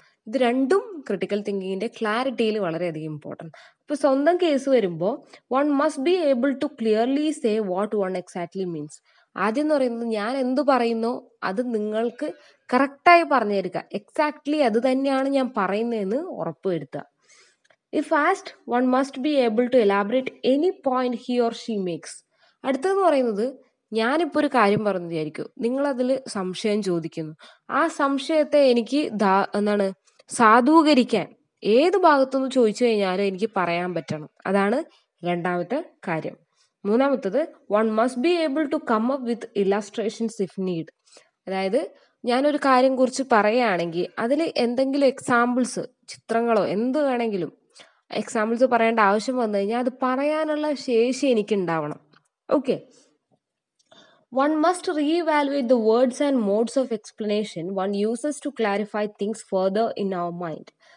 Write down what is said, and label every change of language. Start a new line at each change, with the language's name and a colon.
Malayalam: ഇത് രണ്ടും ക്രിട്ടിക്കൽ തിങ്കിങ്ങിൻ്റെ ക്ലാരിറ്റിയിൽ വളരെയധികം ഇമ്പോർട്ടൻറ്റ്. ഇപ്പോൾ സ്വന്തം കേസ് വരുമ്പോൾ,
English: One must be able to clearly say what one exactly means.
Malayalam: ആദ്യം എന്ന് പറയുന്നത്, ഞാൻ എന്ത് പറയുന്നോ അത് നിങ്ങൾക്ക് കറക്റ്റായി പറഞ്ഞു തരിക, എക്സാക്ട്ലി അത് തന്നെയാണ് ഞാൻ പറയുന്നതെന്ന് ഉറപ്പ് വരുത്തുക.
English: If asked, one must be able to elaborate any point he or she makes.
Malayalam: അടുത്തതെന്ന് പറയുന്നത്, ഞാനിപ്പോൾ ഒരു കാര്യം പറഞ്ഞു വിചാരിക്കും, നിങ്ങളതിൽ സംശയം ചോദിക്കുന്നു, ആ സംശയത്തെ എനിക്ക് എന്താണ് സാധൂകരിക്കാൻ ഏത് ഭാഗത്തുനിന്ന് ചോദിച്ചു കഴിഞ്ഞാലും എനിക്ക് പറയാൻ പറ്റണം. അതാണ് രണ്ടാമത്തെ കാര്യം. മൂന്നാമത്തേത്,
English: one must be able to come up with illustrations if need.
Malayalam: അതായത്, ഞാനൊരു കാര്യം കുറിച്ച് പറയുകയാണെങ്കിൽ അതിൽ എന്തെങ്കിലും എക്സാമ്പിൾസ്, ചിത്രങ്ങളോ എന്ത് വേണമെങ്കിലും എക്സാമ്പിൾസ് പറയേണ്ട ആവശ്യം വന്നു കഴിഞ്ഞാൽ അത് പറയാനുള്ള ശേഷി എനിക്കുണ്ടാവണം.
English: Okay, one must reevaluate the words and modes of explanation one uses to clarify things further in our mind.